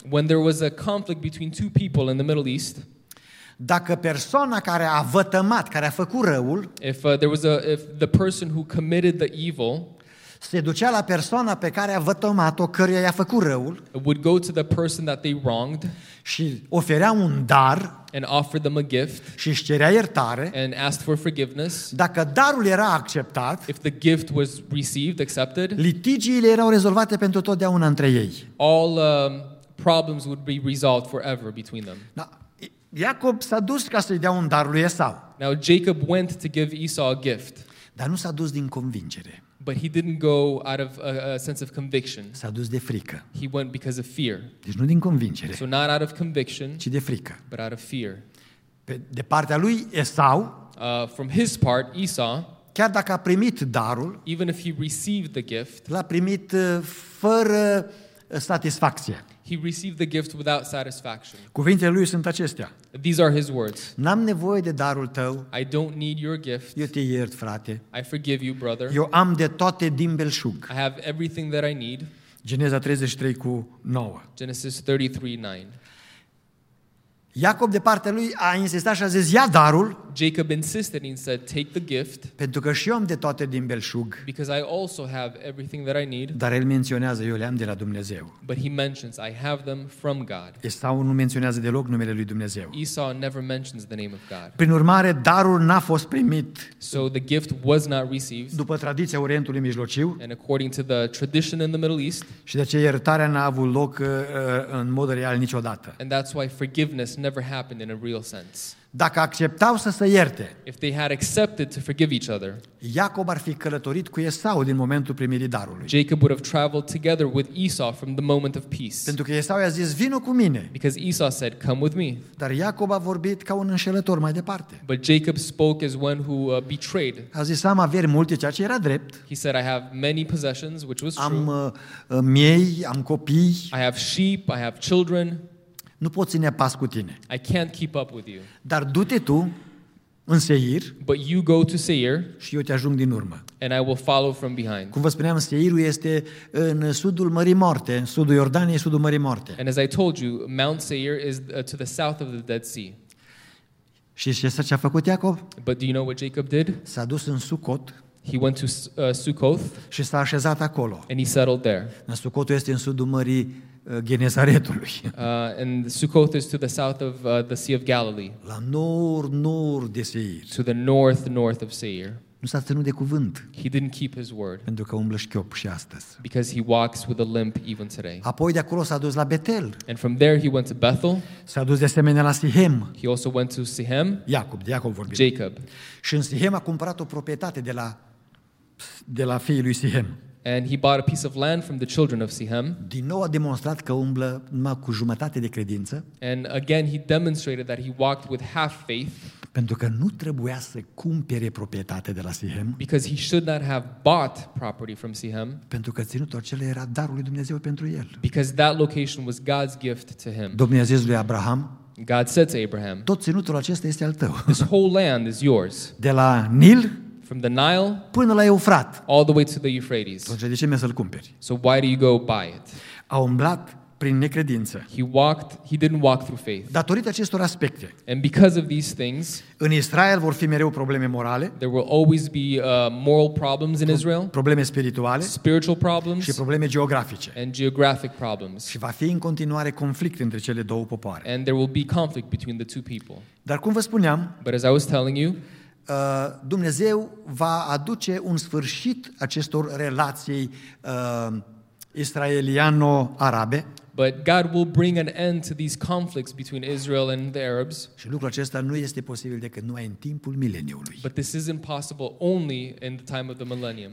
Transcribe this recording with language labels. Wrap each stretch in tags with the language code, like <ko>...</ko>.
<en>When there was a conflict between two people in the Middle East.</en> <ro>Dacă persoana care a vătămat, care a făcut răul,</ro> <en>if the person who committed the evil,</en> <ro>se ducea la persoana pe care a vătămat-o, căruia i-a făcut răul,</ro> <en>would go to the person that they wronged,</en> <ro>și oferea un dar,</ro> <en>and offered them a gift,</en> <ro>și își cerea iertare,</ro> <en>and asked for forgiveness.</en> <ro>Dacă darul era acceptat,</ro> <en>if the gift was received, accepted,</en> <ro>litigiile erau rezolvate pentru totdeauna între ei.</ro> <en>All problems would be resolved forever between them.</en> <ro>Da. Iacob s-a dus ca să-i dea un dar lui Esau.</ro> <en>Now Jacob went to give Esau a gift.</en> <ro>Dar nu s-a dus din convingere.</ro> <en>But he didn't go out of a sense of conviction.</en> <ro>S-a dus de frică.</ro> <en>He went because of fear.</en> <ro>Deci nu din convingere.</ro> <en>So not out of conviction.</en> <ro>Ci de frică.</ro> <en>But out of fear.</en> <ro>De partea lui Esau,</ro> <en>from his part Esau,</en> <ro>chiar dacă a primit darul,</ro> <en>even if he received the gift,</en> <ro>l-a primit fără satisfacție.</ro> <en>He received the gift without satisfaction.</en> <ro>Cuvintele lui sunt acestea.</ro> <en>These are his words.</en> <ro>N-am nevoie de darul tău.</ro> <en>I don't need your gift.</en> <ro>Eu te iert, frate.</ro> <en>I forgive you, brother.</en> <ro>Eu am de toate din belșug.</ro> <en>I have everything that I need.</en> <ro>Geneza 33:9.</ro> <en>Genesis 33:9.</en> <ro>Iacob de partea lui a insistat și a zis: ia darul.</ro> <en>Jacob insisted and said, take the gift.</en> <ro>Pentru că și eu am de toate din belșug.</ro> <en>Because I also have everything that I need.</en> <ro>Dar el menționează: eu le-am de la Dumnezeu.</ro> <en>But he mentions, I have them from God.</en> <ro>Esau nu menționează deloc numele lui Dumnezeu.</ro> <en>Esau never mentions the name of God.</en> <ro>Prin urmare, darul n-a fost primit.</ro> <en>So the gift was not received.</en> <ro>După tradiția Orientului Mijlociu.</ro> <en>And according to the tradition in the Middle East.</en> <ro>Și de aceea iertarea n-a avut loc în mod real niciodată.</ro> <en>And that's why forgiveness never happened in a real sense.</en> <ro>Dacă acceptau să se ierte,</ro> <en>if they had accepted to forgive each other,</en> <ro>Iacob ar fi călătorit cu Esau din momentul primirii darului.</ro> <en>Jacob would have traveled together with Esau from the moment of peace.</en> <ro>Pentru că Esau i-a zis: vino cu mine.</ro> <en>Because Esau said, come with me.</en> <ro>Dar Iacob a vorbit ca un înșelător mai departe.</ro> <en>But Jacob spoke as one who betrayed.</en> <ro>A zis: am averi multe, ceea ce era drept.</ro> <en>He said, I have many possessions, which was true.</en> <ro>Am miei, am copii.</ro> <en>I have sheep, I have children.</en> <ro>Nu pot ține pas cu tine.</ro> <en>I can't keep up with you.</en> <ro>Dar du-te tu în Seir.</ro> <en>But you go to Seir.</en> <ro>Și eu te ajung din urmă.</ro> <en>And I will follow from behind.</en> <ro>Cum vă spuneam, Seirul este în sudul Mării Moarte, în sudul Iordaniei, sudul Mării Moarte.</ro> <en>And as I told you, Mount Seir is to the south of the Dead Sea.</en> <ro>Și știi ce a făcut Iacob?</ro> <en>But do you know what Jacob did?</en> <ro>S-a dus în Sukot.</ro> <en>He went to Sukoth.</en> <ro>Și s-a așezat acolo.</ro> <en>And he settled there.</en> <ro>Sukotul este în sudul Mării Genezaretului.</ro> <en>And Sukoth is to the south of the Sea of Galilee.</en> <ro>La nord, nord de Seir.</ro> <en>To the north, north of Seir.</en> <ro>Nu s-a ținut de cuvânt.</ro> <en>He didn't keep his word.</en> <ro>Pentru că umblă șchiop și astăzi.</ro> <en>Because he walks with a limp even today.</en> <ro>Apoi de acolo s-a dus la Betel.</ro> <en>And from there he went to Bethel.</en> <ro>S-a dus de asemenea la Sihem.</ro> <en>He also went to Sihem.</en> <ro>Iacob, de Iacob vorbim.</ro> <en>Jacob.</en> <ro>Și în Sihem a cumpărat o proprietate de la fiii lui Sihem.</ro> <en>And he bought a piece of land from the children of Sihem.</en> <ro>Din nou a demonstrat că umblă numai cu jumătate de credință.</ro> <en>And again he demonstrated that he walked with half faith.</en> <ro>Pentru că nu trebuia să cumpere proprietate de la Sihem.</ro> <en>Because he should not have bought property from Sihem.</en> <ro>Pentru că ținutul acela era darul lui Dumnezeu pentru el.</ro> <en>Because that location was God's gift to him.</en> <ro>Domnul i-a zis lui Abraham.</ro> <en>God said to Abraham.</en> <ro>Tot ținutul acesta este al tău.</ro> <en>This whole land is yours.</en> <ro>De la Nil.</ro> <en>From the Nile,</en> <ro>până la Eufrat,</ro> <en>all the way to the Euphrates.</en> <ro>Atunci, de ce mi-a să-l cumperi?</ro> <en>So why do you go buy it?</en> <ro>A umblat prin necredință.</ro> <en>He didn't walk through faith.</en> <ro>Datorită acestor aspecte.</ro> <en>And because of these things,</en> <ro>în Israel vor fi mereu probleme morale.</ro> <en>There will always be moral problems in Israel.</en> <ro>Probleme spirituale.</ro> <en>Spiritual problems.</en> <ro>Și probleme geografice.</ro> <en>And geographic problems.</en> <ro>Și va fi în continuare conflict între cele două popoare.</ro> <en>And there will be conflict between the two people.</en> <ro>Dar cum vă spuneam,</ro> <en>but as I was telling you,</en> <ro>Dumnezeu va aduce un sfârșit acestor relații israeliano-arabe.</ro> <en>But God will bring an end to these conflicts between Israel and the Arabs.</en> <ro>Și lucrul acesta nu este posibil decât numai în timpul mileniului.</ro> <en>But this isn't possible only in the time of the millennium.</en>